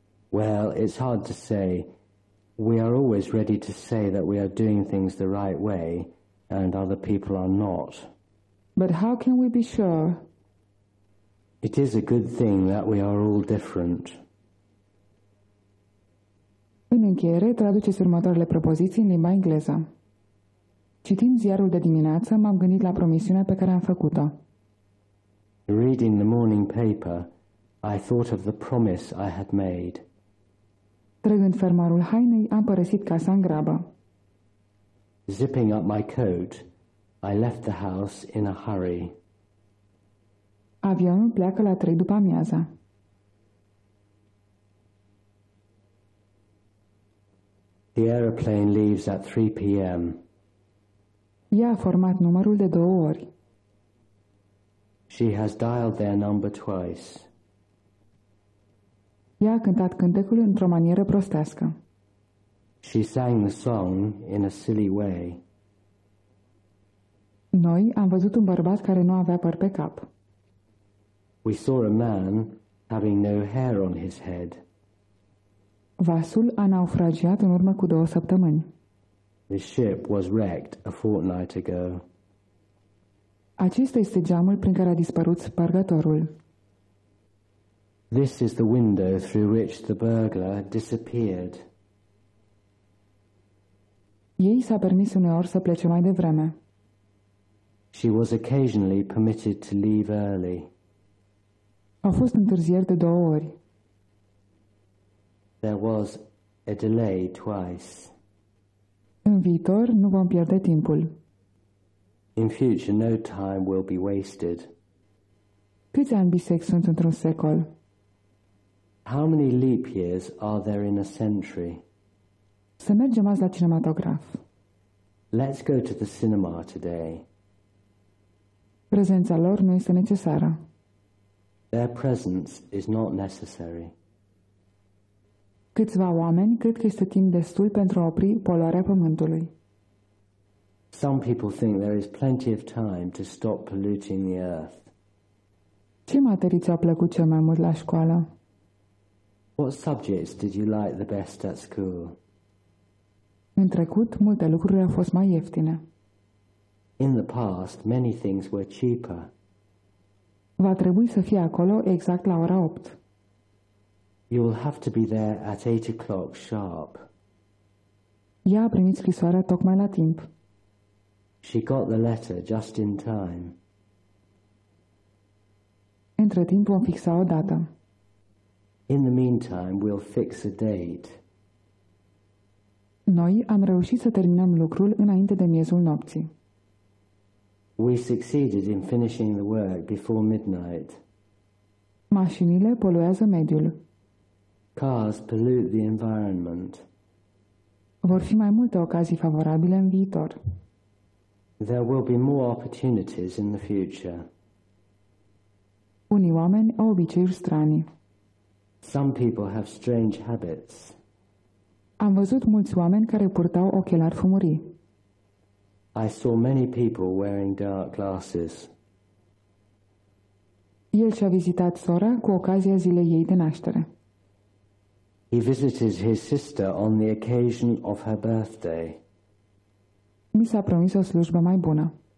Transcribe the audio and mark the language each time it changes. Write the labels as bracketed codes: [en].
[en] Well, it's hard to say. We are always ready to say that we are doing things the right way and other people are not. But how can we be sure? It is a good thing that we are all different. [ro] În încheiere, traduceți următoarele propoziții în limba engleză. Citind ziarul de dimineață, m-am gândit la promisiunea pe care am făcut-o. [en] Reading the morning paper, I thought of the promise I had made. [ro] Trăgând fermoarul hainei, am părăsit casa în grabă. [en] Zipping up my coat, I left the house in a hurry. [ro] Avionul pleacă la 3 după amiaza. [en] The aeroplane leaves at 3 p.m. [ro] Ea a format numărul de 2 ori. [en] She has dialed their number twice. [ro] Ea a cântat cântecul într-o manieră prostească. [en] She sang the song in a silly way. [ro] Noi am văzut un bărbat care nu avea păr pe cap. [en] We saw a man having no hair on his head. [ro] Vasul a naufragiat în urmă cu 2 săptămâni. [en] The ship was wrecked a fortnight ago. [ro] Acesta este geamul prin care a dispărut spărgătorul. [en] This is the window through which the burglar disappeared. [ro] Ei s-a permis uneori să plece mai devreme. [en] She was occasionally permitted to leave early. [ro] Au fost întârzieri de 2 ori. [en] There was a delay twice. [ro] În viitor nu vom pierde timpul. [en] In future no time will be wasted. [ro] Câți ani bisex sunt într-un secol? [en] How many leap years are there in a century? [ro] Să mergem azi la cinematograf. [en] Let's go to the cinema today. [ro] Prezența lor nu este necesară. [en] Their presence is not necessary. [ro] Câțiva oameni cred că este timp destul pentru a opri poluarea pământului. [en] Some people think there is plenty of time to stop polluting the earth. [ro] Ce materii ți-au plăcut cel mai mult la școală? [en] What subjects did you like the best at school? [ro] În trecut, multe lucruri au fost mai ieftine. [en] In the past, many things were cheaper. [ro] Va trebui să fie acolo exact la ora 8. [en] You will have to be there at 8 o'clock sharp. [ro] Ea a primit scrisoarea tocmai la timp. [en] She got the letter just in time. [ro] Între timp vom fixa o dată. [en] In the meantime, we'll fix a date. [ro] Noi am reușit să terminăm lucrul înainte de miezul nopții. [en] We succeeded in finishing the work before midnight. [ro] Mașinile poluează mediul. [en] Cars pollute the environment. [ro] Vor fi mai multe ocazii favorabile în viitor. [en] There will be more opportunities in the future. [ro] Unii oameni au obiceiuri strani. [en] Some people have strange habits. [ro] Am văzut mulți oameni care purtau ochelari fumurii. [en] I saw many people wearing dark glasses. [ro] El și-a vizitat sora cu ocazia zilei ei de naștere. [en] He visited his sister on the occasion of her birthday. [ro] Mi s-a promis o slujbă mai bună.